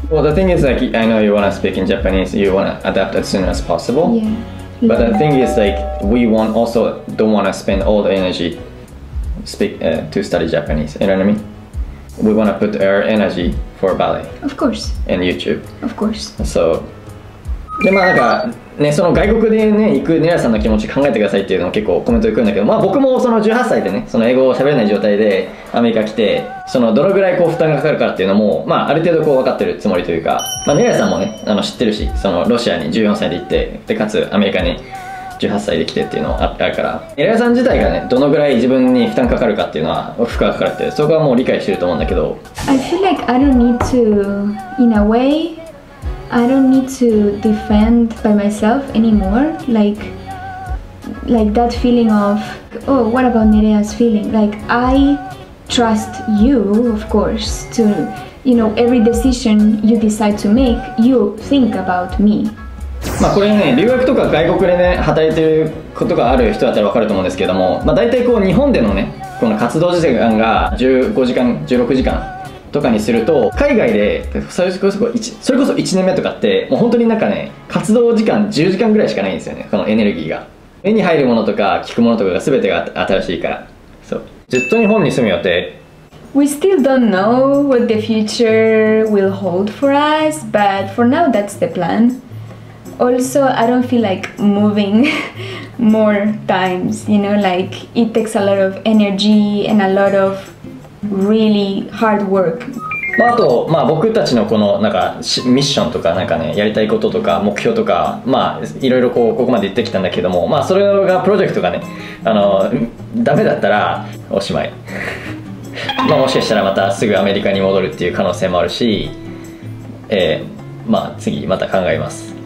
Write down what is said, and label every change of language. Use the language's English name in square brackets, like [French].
[English] Well, the thing is, like, I know you want to speak in Japanese. You want to adapt as soon as possible. Yeah. But the thing is, like, we want also don't want to spend all the energy to study Japanese. You know what I mean? We want to put our energy for ballet. Of course. And YouTube. Of course. So. [Japanese] でまあなんかね、その外国で、ね、行くネラさんの気持ち考えてくださいっていうのも結構コメントで来るんだけど、まあ、僕もその18歳でね、その英語を喋れない状態でアメリカ来て、そのどのぐらいこう負担がかかるかっていうのも、まあ、ある程度こう分かってるつもりというか、まあ、ネラさんもね、知ってるし、そのロシアに14歳で行って、でかつアメリカに18歳で来てっていうのもあるから、ネラさん自体がね、どのぐらい自分に負担かかるかっていうのは負荷がかかるって、そこはもう理解してると思うんだけど、 [English] I feel like I don't need to in a wayI don't need to defend by myself anymore. Like that feeling of, oh, what about Nerea's feeling? Like, I trust you, of course, to, you know, every decision you decide to make, you think about me. [Japanese] まあこれね、留学とか外国でね、働いてることがある人だったら分かると思うんですけども、まあ大体こう日本でのね、この活動時間が15時間、16時間。とかにすると、海外でそれこそ1年目とかってもう本当になんかね、活動時間10時間ぐらいしかないんですよね。このエネルギーが目に入るものとか聞くものとかが全てが新しいから、そう、ずっと日本に住む予定。 [English] We still don't know what the future will hold for us, but for now that's the plan. Also I don't feel like moving more times, you know, like it takes a lot of energy and a lot ofreally hard work. [Japanese] まあ、あと、まあ、僕たちのこのなんかミッションとかなんかね、やりたいこととか目標とか、まあいろいろこうここまで言ってきたんだけども、まあそれがプロジェクトがね、ダメだったらおしまいまあもしかしたらまたすぐアメリカに戻るっていう可能性もあるし、まあ次また考えます。